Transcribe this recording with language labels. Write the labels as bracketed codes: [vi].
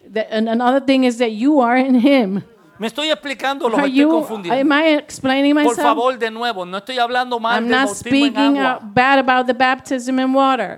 [en] That, and another thing is that you are in him. [es] Me estoy explicando, lo estoy confundiendo. [en] Am I explaining myself? [es] Por favor, de nuevo, no estoy hablando mal de bautismo en agua. [en] I'm not speaking bad about the baptism in water.